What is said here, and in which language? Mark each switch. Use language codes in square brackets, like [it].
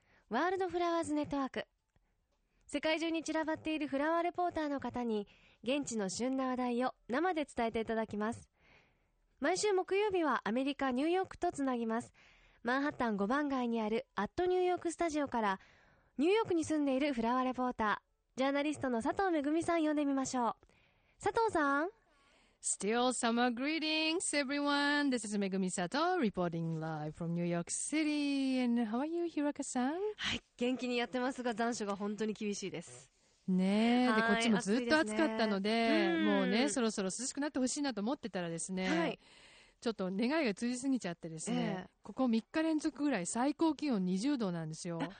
[ja] ワールドフラワーズネットワーク。世界中に散らばっているフラワーレポーターの方に現地の旬な話題を生で伝えていただきます。毎週木曜日はアメリカニューヨークとつなぎます。マンハッタン5番街にあるアットニューヨークスタジオから、ニューヨークに住んでいるフラワーレポータージャーナリストの佐藤めぐみさん呼んでみましょう。佐藤さん。 [en] Still summer greetings everyone. This is Megumi Sato reporting live from New York City. And how are you, Hiroka-san? [ja] はい、元気にやってますが、残暑が本当に厳しいですね。え、でこっちもずっと暑かったの で、ね、もうね、そろそろ涼しくなってほしいなと思ってたらですね、はい、ちょっと願いが通じすぎちゃってですね、ここ3日連続ぐらい最高気温20度なんですよ。